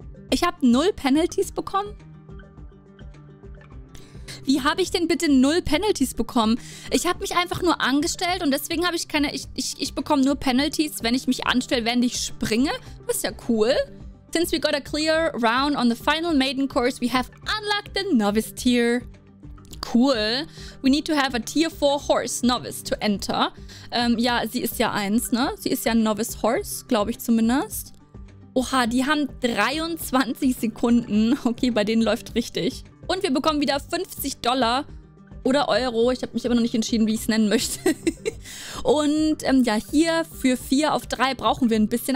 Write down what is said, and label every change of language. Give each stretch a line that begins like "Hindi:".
German: Ich habe null Penalties bekommen. Wie habe ich denn bitte null Penalties bekommen? Ich habe mich einfach nur angestellt und deswegen habe ich keine... Ich bekomme nur Penalties, wenn ich mich anstelle, während ich springe. Das ist ja cool.
English: Since we got a clear round on the final maiden course, we have unlocked the novice tier. Cool. We need to have a tier 4 horse novice to enter.
German: Ja, sie ist ja eins, ne? Sie ist ja ein novice horse, glaube ich zumindest. Oha, die haben 23 Sekunden. Okay, bei denen läuft richtig. Und wir bekommen wieder 50 Dollar oder Euro. Ich habe mich immer noch nicht entschieden, wie ich es nennen möchte. Und ja, hier für 4 auf 3 brauchen wir ein bisschen.